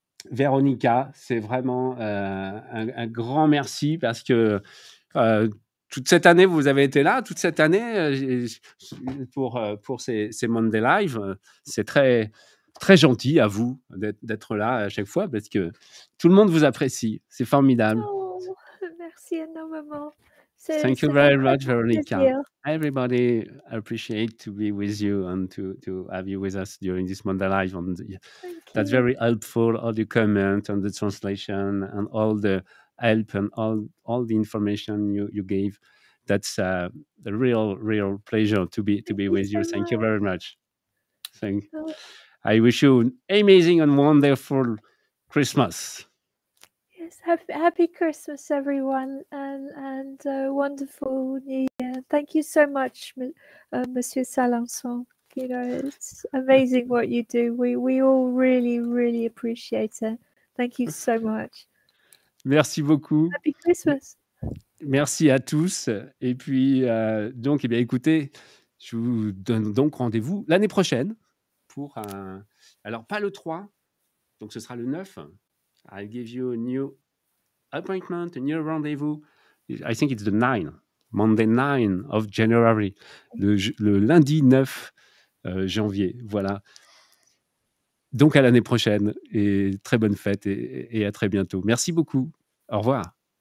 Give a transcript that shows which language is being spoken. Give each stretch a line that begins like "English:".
French: Véronica, c'est vraiment un grand merci parce que toute cette année, vous avez été là, toute cette année, pour ces Monday Live. C'est très, très gentil à vous d'être là à chaque fois parce que tout le monde vous apprécie. C'est formidable. Oh, merci énormément.
English: Thank you very much, Veronica. Everybody appreciate to be with you and to have you with us during this Monday Live. And that's very helpful, all the comments and the translation and all the help and all the information you gave. That's a real, real pleasure to be with you. Thank you very much. Thank you. I wish you an amazing and wonderful Christmas. Happy Christmas, everyone, and a wonderful New Year. Thank you so much, Monsieur Salançon. You know, it's amazing what you do. We all really, really appreciate it. Thank you so much.
French: Merci beaucoup.
English: Happy Christmas.
French: Merci à tous. Et puis, écoutez, je vous donne donc rendez-vous l'année prochaine pour alors, pas le 3, donc ce sera le 9.
English: I'll give you a new appointment, a new rendezvous. I think it's the 9, Monday 9 of January,
French: le lundi 9 janvier. Voilà. Donc, à l'année prochaine et très bonne fête et à très bientôt. Merci beaucoup. Au revoir.